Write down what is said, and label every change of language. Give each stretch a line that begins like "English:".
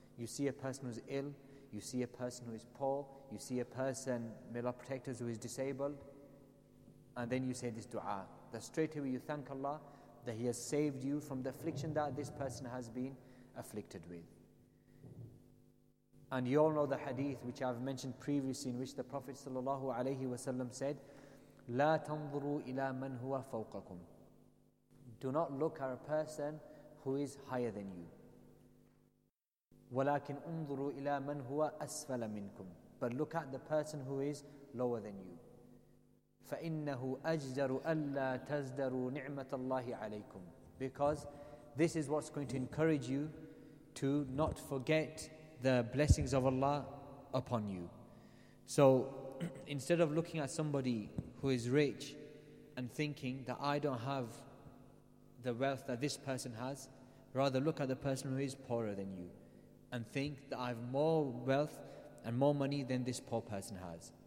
English: You see a person who's ill, you see a person who is poor, you see a person, may Allah protect us, who is disabled, and then you say this dua, that straight away you thank Allah that He has saved you from the affliction that this person has been afflicted with. And you all know the hadith which I've mentioned previously, in which the Prophet ﷺ said,
Arabic: لا تنظروا إلى من هو فوقكم.
English: Do not look at a person who is higher than you.
Arabic: ولكن انظروا إلى من هو أسفل منكم.
English: But look at the person who is lower than you.
Arabic: فإنه أجدر ألا تزدروا نعمة الله عليكم.
English: Because this is what's going to encourage you to not forget the blessings of Allah upon you. So instead of looking at somebody who is rich and thinking that I don't have the wealth that this person has, rather look at the person who is poorer than you and think that I have more wealth and more money than this poor person has.